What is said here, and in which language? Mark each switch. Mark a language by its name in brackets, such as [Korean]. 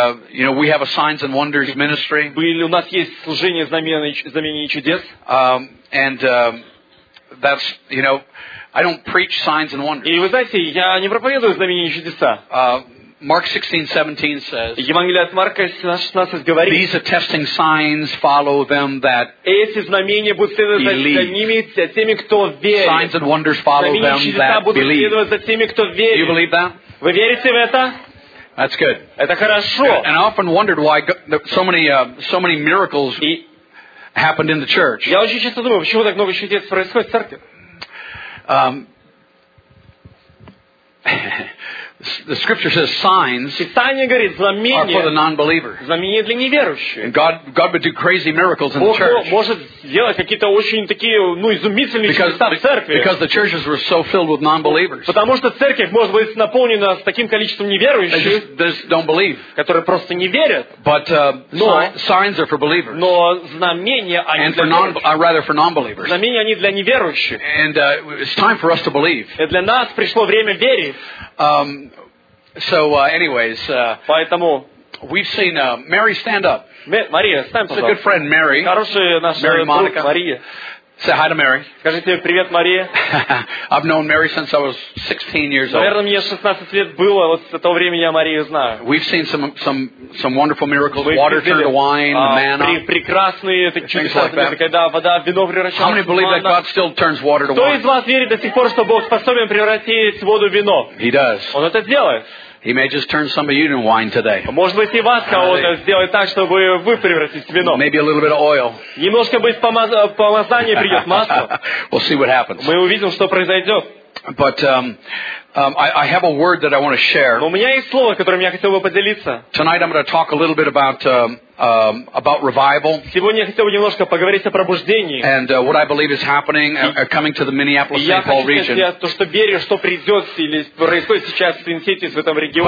[English] You know, we have a signs and wonders ministry. [Russian] У нас есть служение знамений чудес. [English] That's, you know, I don't preach signs and wonders. [Russian] И вы знаете, я не проповедую знамения и чудеса. [English] Mark 16:17 says. [Russian] Евангелие от Марка 16:17 говорит. [English] These attesting signs follow them that believe. [Russian] Эти знамения будут следовать за ними, за теми, кто верит. [English] Signs and wonders follow them that believe. [Russian] Знамения будут следовать за теми, кто верит. [English] You believe that? [Russian] Вы верите в это? [English] That's good. [Russian] Это хорошо. [English] And I often wondered why so many miracles happened in the church. [Russian] Я очень часто думаю, почему так много чудес происходит в церкви. [English] The scripture says signs are for the non-believer. [Russian] Знамения для неверующих. [English] God would do crazy miracles in the church. [Russian] Бог может сделать какие-то очень такие, ну, изумительные чудеса в церкви. [English] Because the churches were so filled with non-believers. [Russian] Потому что церковь может быть наполнена с таким количеством неверующих, [English] they just don't believe. [Russian] Которые просто не верят. [English] But signs are for believers. [Russian] Но знамения они для неверующих. [English] Rather for non-believers. [Russian] Знамения они для неверующих. [English] And it's time for us to believe. [Russian] И для нас пришло время верить. [English] So anyways, [Russian] поэтому [English] we've seen Mary stand up. [Russian] Мария, встань, [English] it's a good friend, Mary. [Russian] Хорошая наша Mary Monica. Друг, Мария. [English] Say hi to Mary. [Russian] Скажите привет, Мария. [English] I've known Mary since I was 16 years old. [Russian] Наверное, мне 16 лет было, вот с того времени я Марию знаю. [English] We've seen some wonderful miracles. Water turned to wine, manna. [Russian] Прекрасные чудеса, когда вода в вино превращается. [English] How many believe that God still turns water to wine? [Russian] Кто из вас верит до сих пор, что Бог способен превратить воду в вино? [English] He does. [Russian] Он это делает. [English] He may just turn some of you into wine today. [Russian] Может быть, и вас кого-то сделать так, чтобы вы превратились в вино. [English] Maybe a little bit of oil. [Russian] Немножко быть помазание придет, масло. [English] We'll see what happens. [Russian] Мы увидим, что произойдет. [English] But I have a word that I want to share. [Russian] Но у меня есть слово, которым я хотел бы поделиться. [English] Tonight I'm going to talk a little bit about revival. [Russian] Сегодня я хотел бы немножко поговорить о пробуждении. [English] And what I believe is happening and coming to the Minneapolis-St. Paul region. [Russian] Я то, что верю, что придет или происходит сейчас в Винсенте в этом регионе.